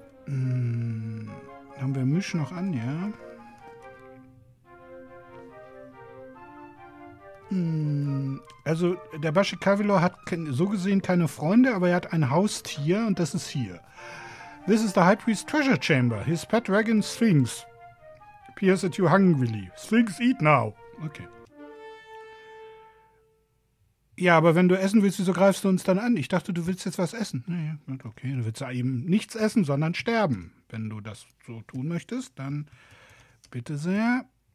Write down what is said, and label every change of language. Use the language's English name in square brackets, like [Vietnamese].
[German] Haben wir Misch noch an, ja? Also, der Basche Kavilor hat so gesehen keine Freunde, aber er hat ein Haustier und das ist hier. [English] This is the High Priest's treasure chamber. His pet dragon Sphinx peers at you hungrily. Sphinx, eat now. Okay. [German] Ja, aber wenn du essen willst, wieso greifst du uns dann an? Ich dachte, du willst jetzt was essen. Naja, okay, du willst eben nichts essen, sondern sterben. Wenn du das so tun möchtest, dann bitte sehr.